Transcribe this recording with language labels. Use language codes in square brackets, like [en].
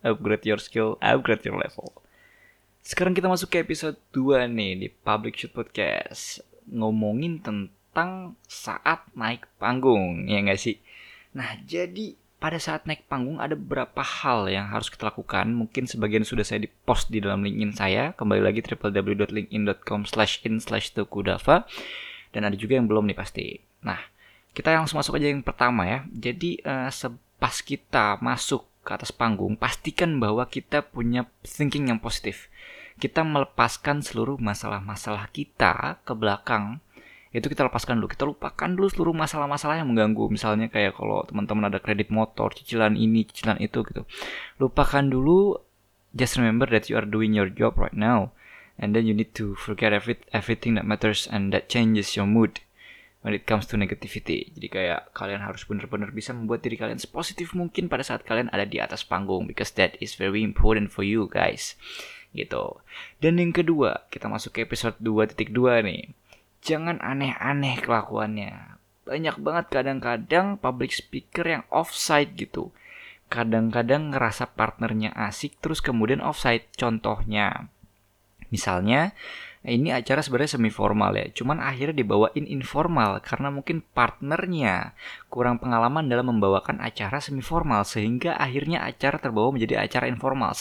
[en] Upgrade your skill, upgrade your level. [id] Sekarang kita masuk ke episode 2 nih di Public Shoot Podcast. Ngomongin tentang saat naik panggung, ya nggak sih? Nah, jadi pada saat naik panggung ada beberapa hal yang harus kita lakukan. Mungkin sebagian sudah saya di-post di dalam LinkedIn saya. Kembali lagi www.linkedin.com/in/tukudava. Dan ada juga yang belum nih pasti. Nah, kita langsung masuk aja yang pertama ya. Jadi, pas kita masuk ke atas panggung, pastikan bahwa kita punya thinking yang positif. Kita melepaskan seluruh masalah-masalah kita ke belakang. Itu kita lepaskan dulu, kita lupakan dulu seluruh masalah-masalah yang mengganggu. Misalnya kayak kalau teman-teman ada kredit motor, cicilan ini, cicilan itu gitu. Lupakan dulu, [en] just remember that you are doing your job right now. And then you need to forget everything that matters and that changes your mood when it comes to negativity. [id] Jadi kayak kalian harus benar-benar bisa membuat diri kalian sepositif mungkin pada saat kalian ada di atas panggung. [en] Because that is very important for you guys. [id] Gitu. Dan yang kedua, kita masuk ke episode 2.2 nih. Jangan aneh-aneh kelakuannya. Banyak banget kadang-kadang public speaker yang offside gitu. Kadang-kadang ngerasa partnernya asik terus kemudian offside. Contohnya, misalnya ini acara sebenarnya semi formal ya, cuman akhirnya dibawain informal karena mungkin partnernya kurang pengalaman dalam membawakan acara semi formal sehingga akhirnya acara terbawa menjadi acara informal.